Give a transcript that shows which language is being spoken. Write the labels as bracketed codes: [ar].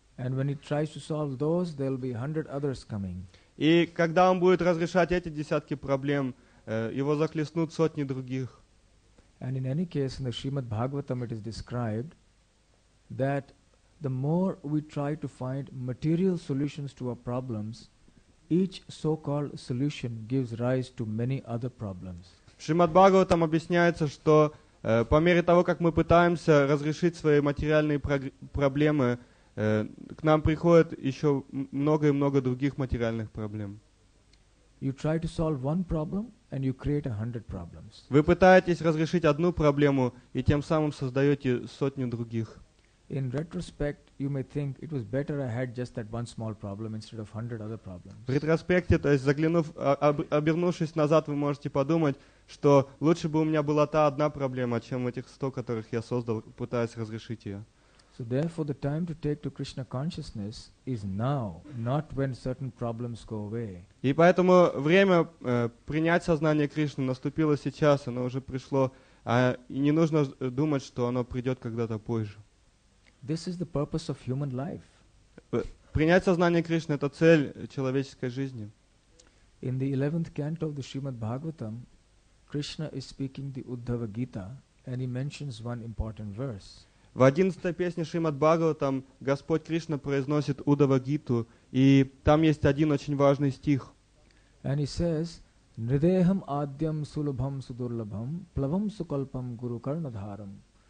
[en] And when he tries to solve those, there'll be 100 others coming. [ru] И когда он будет разрешать эти десятки проблем, его захлестнут сотни других. [en] And in any case, in the Srimad Bhagavatam it is described that the more we try to find material solutions to our problems, each so-called solution gives rise to many other problems. [ru] В Шримад-Бхагаватам объясняется, что по мере того, как мы пытаемся разрешить свои материальные проблемы, к нам приходит еще много и много других материальных проблем. [en] You try to solve one problem, and you create 100 problems. [ru] Вы пытаетесь разрешить одну проблему, и тем самым создаете сотню других. [en] In retrospect, you may think it was better I had just that one small problem instead of 100 other problems. [ru] В ретроспекте, то есть заглянув, обернувшись назад, вы можете подумать, что лучше бы у меня была та одна проблема, чем этих 100, которых я создал, пытаясь разрешить ее. [en] So therefore, the time to take to Krishna consciousness is now, not when certain problems go away. [ru] И поэтому время принять сознание Кришны наступило сейчас, оно уже пришло, и не нужно думать, что оно придет когда-то позже. [en] This is the purpose of human life. [ru] Принять сознание Кришны — это цель человеческой жизни. [en] In the 11th canto of the Srimad Bhagavatam, Krishna is speaking the Uddhava Gita, and he mentions one important verse. [ru] В 11-й песне Шримад Бхагаватам Господь Кришна произносит Уддхава Гиту, и там есть один очень важный стих. [en] And he says, [sa] Нридеham адьям сулабхам судурлабхам плавам сукалпам гуру карнадхарам.